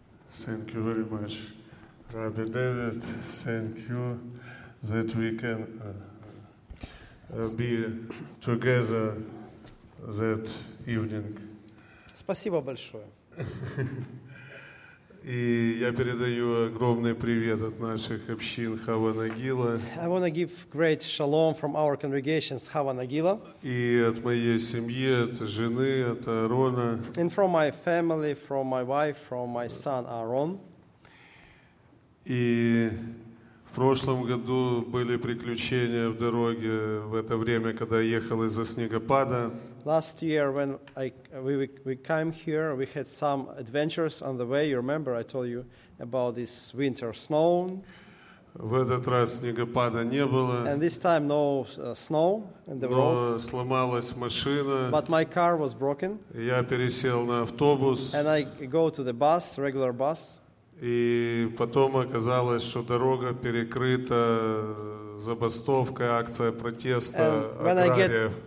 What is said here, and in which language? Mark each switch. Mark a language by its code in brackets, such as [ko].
[en] Thank you very much, Rabbi David. Thank you that we can be together that evening. [ru] Спасибо большое. И я передаю огромный привет от наших общин Хава Нагила. [en] I want to give great shalom from our congregations Хава Нагила. [ru] И от моей семьи, от жены, от Аарона. [en] And from my family, from my wife, from my son Aaron. [ru] И в прошлом году были приключения в дороге в это время, когда я ехал из-за снегопада. [en] Last year, when we came here, we had some adventures on the way. You remember, I told you about this winter snow. [ru] В этот раз снегопада не было. [en] And this time, no snow in the roads. [ru] Но сломалась машина. [en] But my car was broken. [ru] Я пересел на автобус. [en] And I go to the bus, regular bus. [ru] И потом оказалось, что дорога перекрыта забастовкой, акция протеста аграриев.